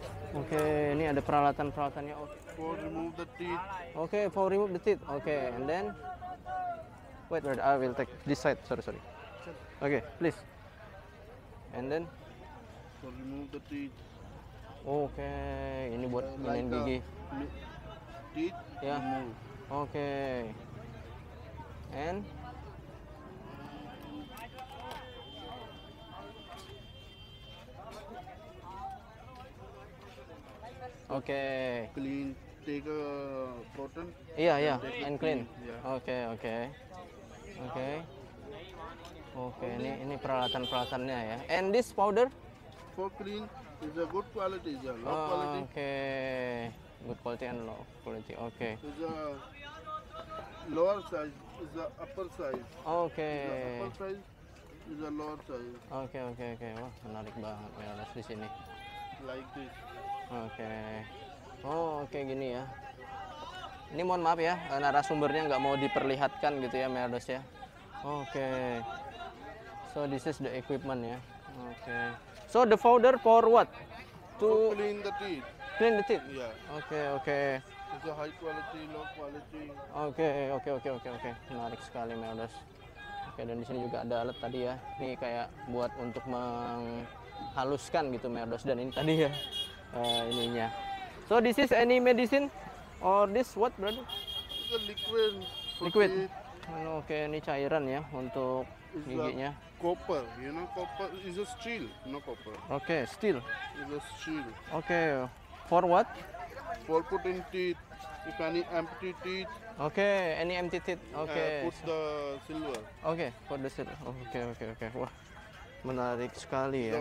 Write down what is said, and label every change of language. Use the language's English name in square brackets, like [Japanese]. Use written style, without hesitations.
[Indonesian] Okay, ini ada peralatannya. [English] For remove the teeth. Okay, for remove the teeth. Okay, and then wait, I will take this side. Sorry. Okay, please. And then for remove the teeth. [Indonesian] Okay, ini buat ngilangin gigi. [English] Teeth? Yeah. Remove. Okay. And okay. Clean. Take a proton. Yeah. And clean. Yeah. Okay. [Indonesian] Oke, okay, ini peralatannya ya. [English] And this powder? For clean is a good quality, is a low quality. Oke, okay. Good quality and low quality. Oke. Okay. Is a lower size, is a upper size. Oke. Okay. Is a lower size. [Indonesian] Oke. Wah, menarik banget ya, les di sini. [English] Like this. [Indonesian] Oke. Okay. Oh, oke, okay, gini ya. Ini mohon maaf ya, narasumbernya nggak mau diperlihatkan gitu ya, Meredes ya. [English] Oke. Okay. So this is the equipment ya. Okay. So the powder for what? To so clean the teeth. Clean the teeth. Yeah. Okay. It's a high quality, low quality. [Indonesian] Okay. Menarik sekali, Meredes. Okay, dan di sini juga ada alat tadi ya. Ini kayak buat untuk menghaluskan gitu, Meredes. Dan ini tadi ya ininya. [English] So this is any medicine or this what, brother? It's a liquid. Liquid. [Indonesian] Okay, ini cairan ya untuk giginya. [English] Copper, you know copper is a steel, no copper. Okay, steel. Is a steel. Okay, for what? For putting teeth, if any empty teeth. Okay, any empty teeth. Okay. Put the silver. Okay, for the silver. Okay. [Indonesian] Wah, menarik sekali ya.